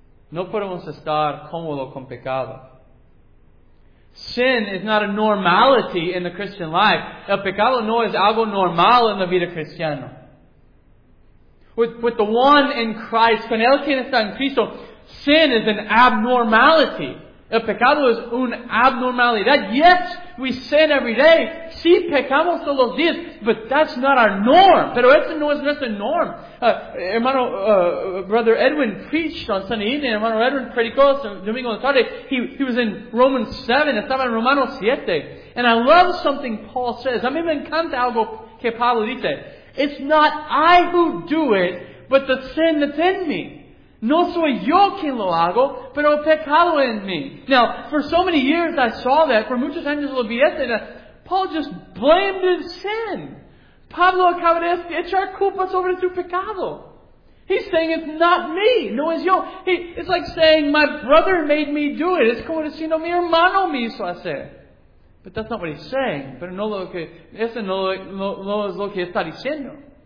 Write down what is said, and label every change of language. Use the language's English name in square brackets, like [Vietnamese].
[Spanish] No podemos estar cómodo con pecado. [English] Sin is not a normality in the Christian life. [Spanish] El pecado no es algo normal en la vida cristiana. [English] With the one in Christ, [Spanish] con el quien está en Cristo, [English] sin is an abnormality. [Spanish] El pecado es una abnormalidad. [English] Yes, we sin every day. [Spanish] Sí, pecamos todos los días. [English] But that's not our norm. [Spanish] Pero eso no es nuestra norm. [English] Brother Edwin preached on Sunday evening. [Spanish] Hermano Edwin predicó domingo en la tarde. [English] He was in Romans 7. [Spanish] Estaba en Romanos 7. [English] And I love something Paul says. [Spanish] A mí me encanta algo que Pablo dice. [English] It's not I who do it, but the sin that's in me. [Spanish] No soy yo quien lo hago, pero pecado en mí. [English] Now, for so many years I saw that, [Spanish] for muchos años lo vi este, [English] Paul just blamed his sin. [Spanish] Pablo acaba de echar culpa sobre su pecado. [English] He's saying it's not me, [Spanish] no es yo. [English] It's like saying my brother made me do it. [Spanish] Es como diciendo mi hermano me hizo hacer. [English] But that's not what he's saying. [Spanish] Pero no lo que, eso no, no, no es lo que está diciendo.